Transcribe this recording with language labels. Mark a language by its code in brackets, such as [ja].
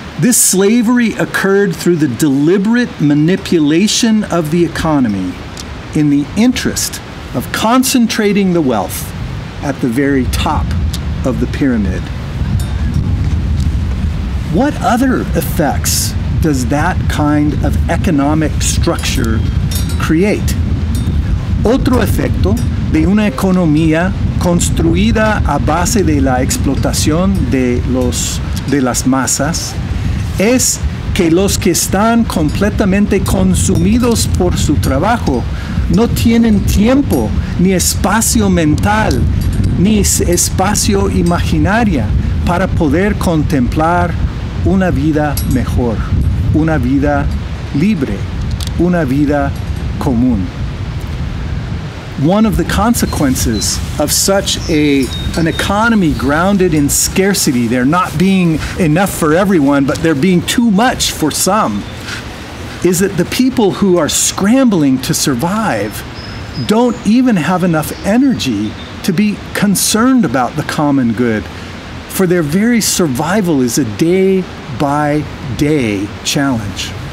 [en] This slavery occurred through the deliberate manipulation of the economy in the interest of concentrating the wealth at the very top of the pyramid. What other effects does that kind of economic structure create? [es] Otro efecto de una economía construida a base de la explotación de las masas es que los que están completamente consumidos por su trabajo no tienen tiempo, ni espacio mental, ni espacio imaginaria para poder contemplar una vida mejor, una vida libre, una vida común. [en] One of the consequences of such an economy grounded in scarcity, there not being enough for everyone, but there being too much for some, is that the people who are scrambling to survive don't even have enough energy to be concerned about the common good, for their very survival is a day-by-day challenge.